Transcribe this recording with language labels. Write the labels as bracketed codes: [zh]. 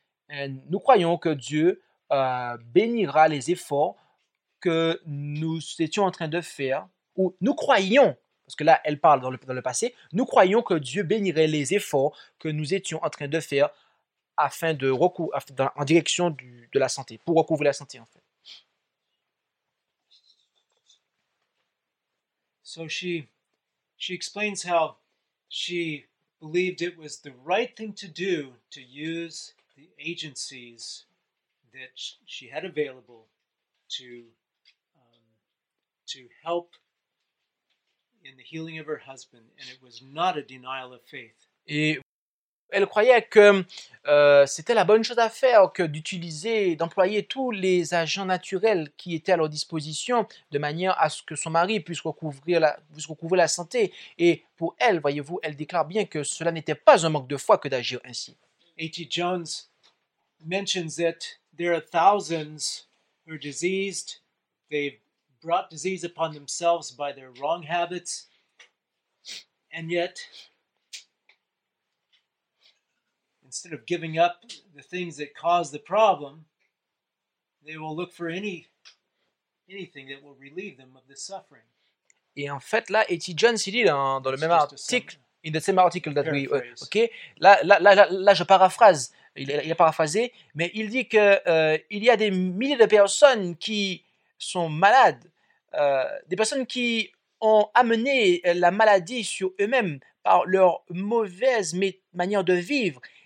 [fr] Et nous croyons que Dieu bénira les efforts que nous étions en train de faire, ou nous croyons, parce que là, elle parle dans le passé, nous croyons que Dieu bénirait les efforts que nous étions en train de faire afin de en direction de la santé, pour recouvrir la santé, en fait. [en] So she explains how she believed it was the right thing to do to use the agencies that she had available to help in the healing of her husband, and it was not a denial of faith. [fr] Et elle croyait que c'était la bonne chose à faire que d'utiliser, d'employer tous les agents naturels qui étaient à leur disposition de manière à ce que son mari puisse recouvrir la santé. Et pour elle, voyez-vous, elle déclare bien que cela n'était pas un manque de foi que d'agir ainsi. [en] A.T. Jones mentions that there are thousands who are diseased. They've brought disease upon themselves by their wrong habits. And yet, instead of giving up the things that cause the problem, they will look for anything that will relieve them of the suffering. [fr] Et en fait, là, E.T. Jones, il dit dans le même article, [en] in the same article that paraphrase. [fr] Là, je paraphrase. Il a paraphrasé, mais il dit que il y a des milliers de personnes qui sont malades, des personnes qui ont amené la maladie sur eux-mêmes par leur mauvaise manière de vivre.